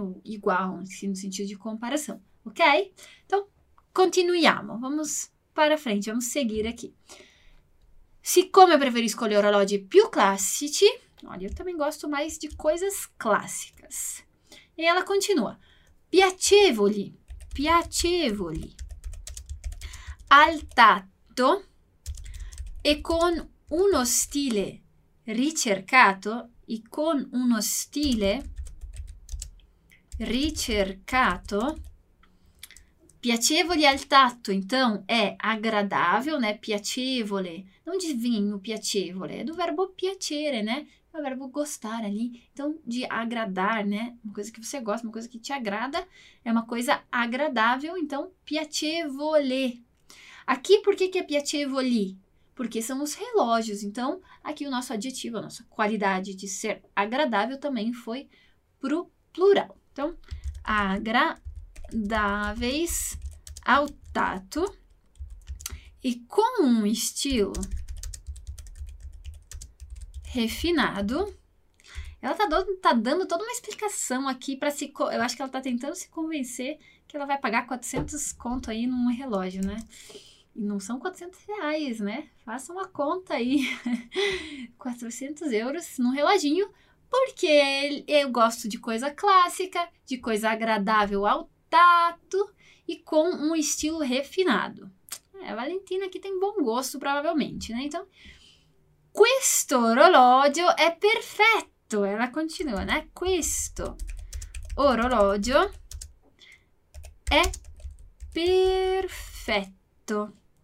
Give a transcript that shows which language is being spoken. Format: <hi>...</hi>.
<pt>O igual, assim, no sentido de comparação, ok? Então, continuiamo, vamos para frente, vamos seguir aqui.</pt> <it>Siccome preferisco gli orologi più classici,</it> <pt>olha, eu também gosto mais de coisas clássicas. E ela continua.</pt> <it>Piacevoli, piacevoli, al tatto e con uno stile ricercato, e con uno stile ricercato, piacevoli al tatto,</it> <pt>então, è agradável, né?</pt> <it>Piacevole, non divino piacevole, è</it> <pt>do verbo</pt> <it>piacere, né?</it> <pt>O verbo gostar ali, então de agradar, né? Uma coisa que você gosta, uma coisa que te agrada, é uma coisa agradável, então piacevole. Aqui, por que que é piacevoli? Porque são os relógios, então aqui o nosso adjetivo, a nossa qualidade de ser agradável também foi pro plural. Então, agradáveis ao tato e com um estilo refinado. Ela tá dando toda uma explicação aqui para se... Eu acho que ela tá tentando se convencer que ela vai pagar 400 conto aí num relógio, né? E não são 400 reais, né? Faça uma conta aí. 400 euros num reloginho. Porque eu gosto de coisa clássica, de coisa agradável ao tato e com um estilo refinado. É, a Valentina aqui tem bom gosto, provavelmente, né? Então...</pt> <it>Questo orologio è perfetto.</it> <pt>Ela continua, né?</pt> <it>Questo orologio è perfetto.</it>